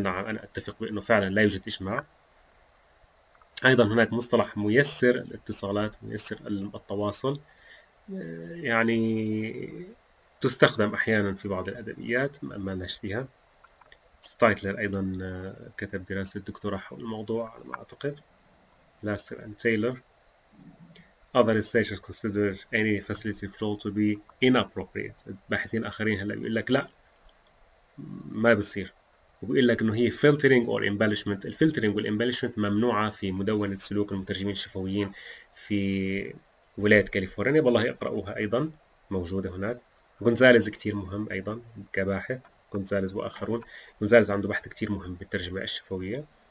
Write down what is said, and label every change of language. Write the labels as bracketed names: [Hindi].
[Arabic] نعم انا اتفق بانه فعلا لا يوجد اجماع. ايضا هناك مصطلح ميسر الاتصالات, ميسر التواصل, يعني تستخدم احيانا في بعض الادبيات ما لناش فيها. ستايتلر ايضا كتب دراسه دكتوراه حول الموضوع على ما اعتقد. لاستر اند تايلر. [English] Other researchers consider any facility flow to be inappropriate. [Arabic] باحثين اخرين هلا بيقول لك لا ما بصير, وبيقول لك انه هي [English] filtering or embellishment. [Arabic] الفلترنج والامبلشمنت ممنوعه في مدونه سلوك المترجمين الشفويين في ولايه كاليفورنيا. والله اقراوها ايضا موجوده هناك. غونزاليز كتير مهم أيضا كباحث, غونزاليز وآخرون. غونزاليز عنده بحث كتير مهم بالترجمة الشفوية.